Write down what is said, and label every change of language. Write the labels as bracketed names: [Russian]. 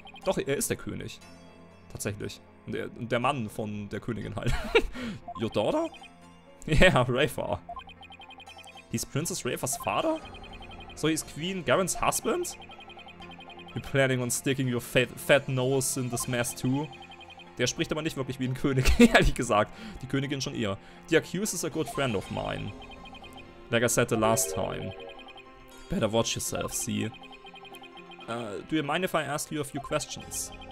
[German] Doch, er ist der König. Tatsächlich. Der Mann von der Königin halt. [English] Your daughter? Yeah, Rafer. He's Princess Rafer's father? So he's Queen Garen's husband? You're planning on sticking your fat nose in this mess too? [German] Der spricht aber nicht wirklich wie ein König, ehrlich gesagt. Die Königin schon eher. [English] The accused is a good friend of mine. Like I said the last time. Better watch yourself, see? Do you mind if I ask you a few questions?